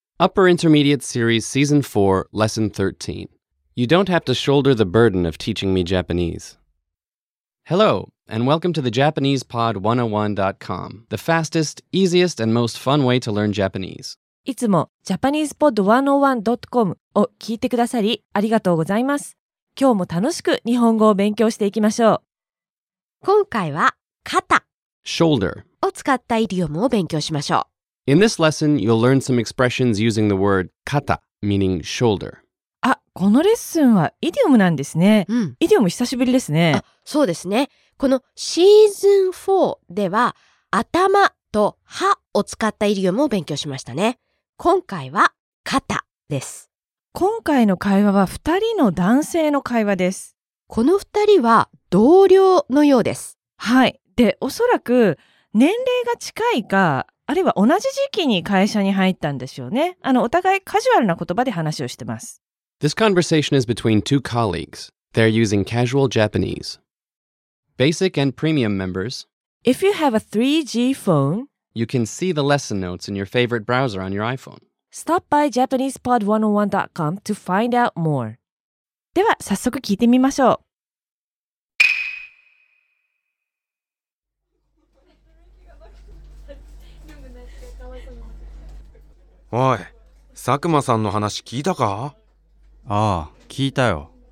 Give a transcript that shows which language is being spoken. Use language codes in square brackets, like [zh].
[en] Upper Intermediate Series Season 4, Lesson 13. You don't have to shoulder the burden of teaching me Japanese. Hello, and welcome to the JapanesePod101.com, the fastest, easiest, and most fun way to learn Japanese. [ja] いつも JapanesePod101.com を聞いてくださりありがとうございます。今日も楽しく日本語を勉強していきましょう。今回は肩。 [en] Shoulder. [ja] を使ったイディオムを勉強しましょう。 [en] In this lesson, you'll learn some expressions using the word 肩, meaning shoulder. [ja] あ、このレッスンはイディオムなんですね。うん、イディオム久しぶりですね。あ、そうですね。このシーズン4では頭と歯を使ったイディオムを勉強しましたね。今回は肩です。今回の会話は2人の男性の会話です。この2人は同僚のようです。はい。で、おそらく年齢が近いか、あるいは同じ時期に会社に入ったんでしょうね。あの、お互いカジュアルな言葉で話をしてます。 [en] This conversation is between two colleagues. They're using casual Japanese. Basic and premium members. If you have a 3G phone, you can see the lesson notes in your favorite browser on your iPhone. Stop by JapanesePod101.com to find out more. [ja] では、早速聞いてみましょう。おい、佐久間さんの話聞いたか？ああ、聞いたよ。